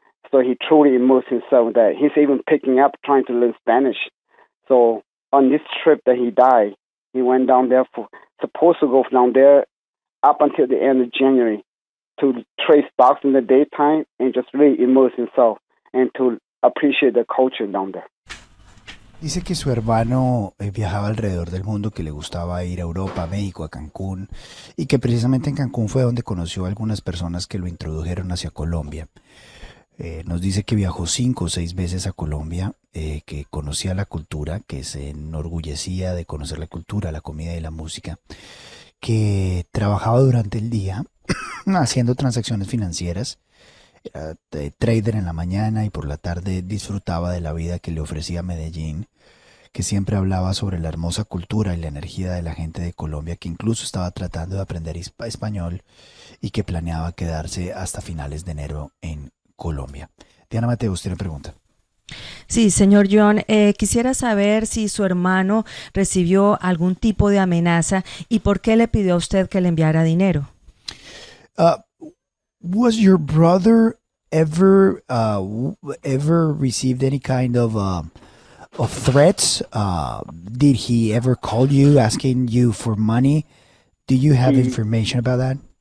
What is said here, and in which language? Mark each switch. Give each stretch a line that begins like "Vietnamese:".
English: So he truly immersed himself in that. He's even picking up trying to learn Spanish. So on this trip that he died, he went down there supposed to go down there up until the end of January to trade stocks in the daytime and just really immerse himself and to appreciate the culture down there.
Spanish: Dice que su hermano viajaba alrededor del mundo, que le gustaba ir a Europa, a México, a Cancún, y que precisamente en Cancún fue donde conoció a algunas personas que lo introdujeron hacia Colombia. Nos dice que viajó 5 o 6 veces a Colombia, que conocía la cultura, que se enorgullecía de conocer la cultura, la comida y la música, que trabajaba durante el día haciendo transacciones financieras, era trader en la mañana y por la tarde disfrutaba de la vida que le ofrecía Medellín, que siempre hablaba sobre la hermosa cultura y la energía de la gente de Colombia, que incluso estaba tratando de aprender español y que planeaba quedarse hasta finales de enero en Colombia. Diana Mateo, usted tiene pregunta. Sí, señor John, quisiera saber si su hermano recibió algún tipo de amenaza y por qué le pidió a usted que le enviara dinero.
English: Was your brother ever received any kind of threats? Did he ever call you asking you for money? Do you have information about that?